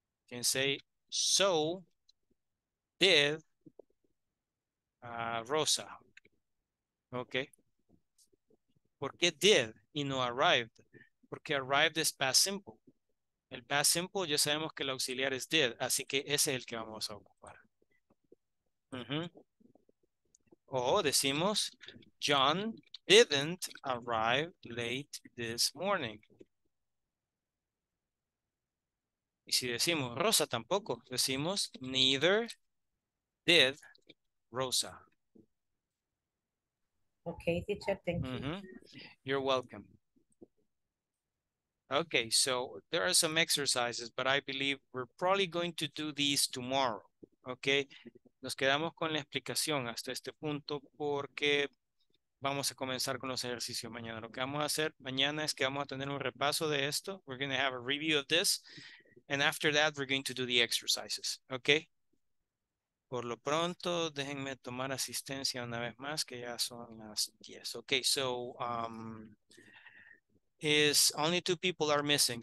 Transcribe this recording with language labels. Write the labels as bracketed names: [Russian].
[English] You can say, so did Rosa, okay. [Spanish] ¿Por qué did y no arrived? Porque arrived es past simple. El past simple ya sabemos que el auxiliar es did, así que ese es el que vamos a ocupar. O decimos, [English] John didn't arrive late this morning. [Spanish] Y si decimos Rosa tampoco, decimos [English] neither did Rosa. Okay, teacher, thank you. Mm-hmm. You're welcome. Okay, so there are some exercises, but I believe we're probably going to do these tomorrow. [Spanish] Okay, nos quedamos con la explicación hasta este punto porque vamos a comenzar con los ejercicios mañana. Lo que vamos a hacer mañana es que vamos a tener un repaso de esto. [English] We're going to have a review of this. And after that, we're going to do the exercises. Okay? [Spanish] Por lo pronto, déjenme tomar asistencia una vez más, que ya son las 10. [English] Okay, so is only two people are missing.